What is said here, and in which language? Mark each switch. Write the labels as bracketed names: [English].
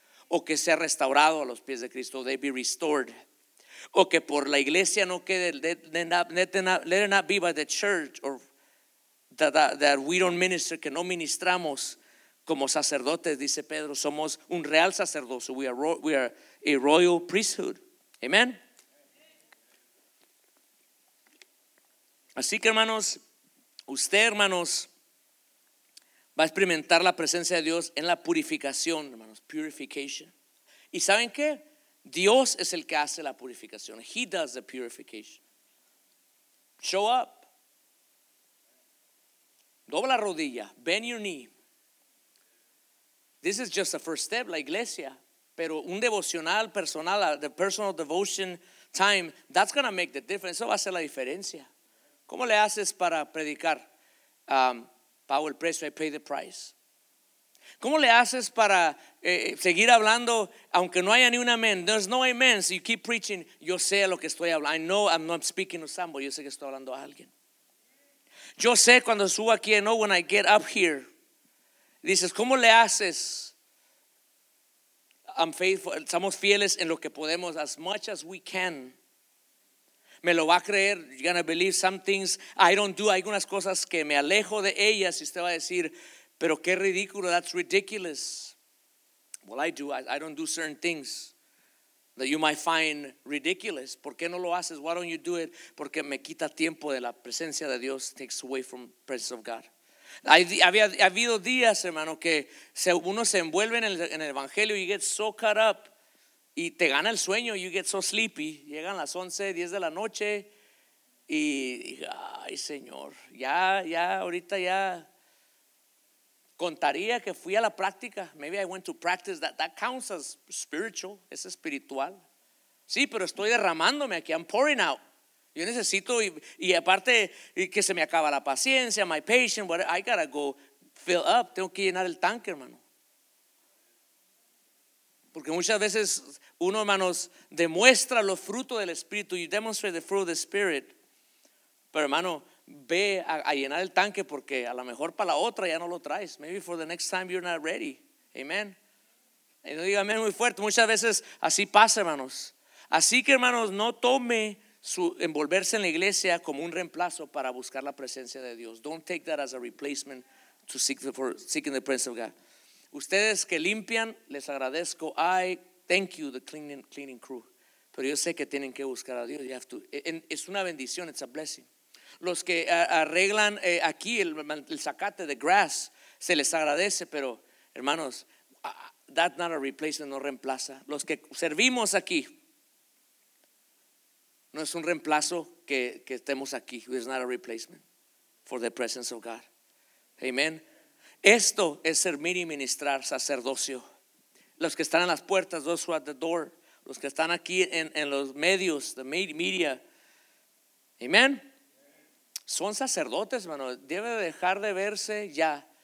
[Spanish] O que sea restaurado a los pies de Cristo. [English] They be restored. [Spanish] O que por la iglesia no quede. [English] Let it not be by the church or that we don't minister. [Spanish] Que no ministramos como sacerdotes, dice Pedro. Somos un real sacerdocio. [English] We are a royal priesthood. [Spanish] Amen. Así que, hermanos, usted, hermanos, va a experimentar la presencia de Dios en la purificación, hermanos, purification. ¿Y saben qué? Dios es el que hace la purificación. [English] He does the purification. Show up. [Spanish] Dobla la rodilla. [English] Bend your knee. This is just the first step, [Spanish] la iglesia. Pero un devocional personal, [English] the personal devotion time, that's going to make the difference. [Spanish] Eso va a hacer la diferencia. ¿Cómo le haces para predicar? Pago el precio, [English] I pay the price. [Spanish] ¿Cómo le haces para seguir hablando aunque no haya ni un amén? [English] There's no amen, so you keep preaching. [Spanish] Yo sé lo que estoy hablando. [English] I know I'm not speaking to somebody. [Spanish] Yo sé que estoy hablando a alguien. Yo sé cuando subo aquí, [English] I know when I get up here. [Spanish] Dices, ¿cómo le haces? [English] I'm faithful. [Spanish] Somos fieles en lo que podemos, [English] as much as we can. [Spanish] Me lo va a creer, [English] you're going to believe some things I don't do. [Spanish] Hay algunas cosas que me alejo de ellas y usted va a decir, pero qué ridículo, [English] that's ridiculous. Well, I don't do certain things that you might find ridiculous. [Spanish] ¿Por qué no lo haces? [English] Why don't you do it? [Spanish] Porque me quita tiempo de la presencia de Dios, [English] takes away from the presence of God. [Spanish] Ha habido días, hermano, que uno se envuelve en el evangelio, [English] you get so caught up. [Spanish] Y te gana el sueño, [English] you get so sleepy. [Spanish] Llegan las 11, 10 de la noche y ay, Señor, ya, ahorita ya contaría que fui a la práctica. [English] Maybe I went to practice, that counts as spiritual, [Spanish] es espiritual. Sí, pero estoy derramándome aquí, [English] I'm pouring out. [Spanish] Yo necesito, y aparte y que se me acaba la paciencia, [English] my patience, but I gotta go fill up. [Spanish] Tengo que llenar el tanque, hermano. Porque muchas veces uno, hermanos, demuestra los frutos del Espíritu. [English] You demonstrate the fruit of the Spirit. [Spanish] Pero, hermano, ve a llenar el tanque porque a lo mejor para la otra ya no lo traes. [English] Maybe for the next time you're not ready. Amen. [Spanish] Y no diga amén muy fuerte. Muchas veces así pasa, hermanos. Así que, hermanos, no tome su envolverse en la iglesia como un reemplazo para buscar la presencia de Dios. [English] Don't take that as a replacement to seeking the presence of God. [Spanish] Ustedes que limpian, les agradezco. [English] I thank you, the cleaning crew. [Spanish] Pero yo sé que tienen que buscar a Dios. [English] You have to. [Spanish] Es una bendición, [English] it's a blessing. [Spanish] Los que arreglan aquí el zacate, [English] the grass, [Spanish] se les agradece. Pero hermanos, [English] that's not a replacement, [Spanish] no reemplaza. Los que servimos aquí, no es un reemplazo que estemos aquí. [English] It's not a replacement for the presence of God. Amen. [Spanish] Esto es servir y ministrar sacerdocio. Los que están en las puertas, [English] those who are at the door, [Spanish] los que están aquí en los medios, [English] the media. [Spanish] Amen. Son sacerdotes, hermano. Debe dejar de verse ya.